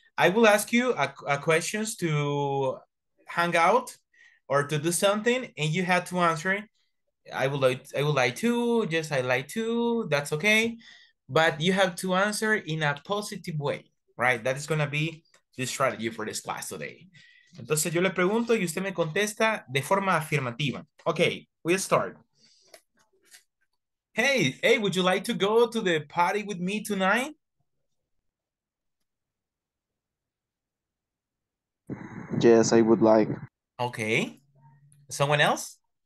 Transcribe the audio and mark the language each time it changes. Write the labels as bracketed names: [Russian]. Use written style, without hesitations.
[English] I will ask you a questions to hang out or to do something, and you have to answer. I would like to, yes, I like to, that's okay. But you have to answer in a positive way, right? That is gonna be the strategy for this class today. [Spanish] Entonces yo le pregunto y usted me contesta de forma afirmativa. [English] Okay, we'll start. Hey, would you like to go to the party with me tonight? Yes, I would like. Okay. Someone else?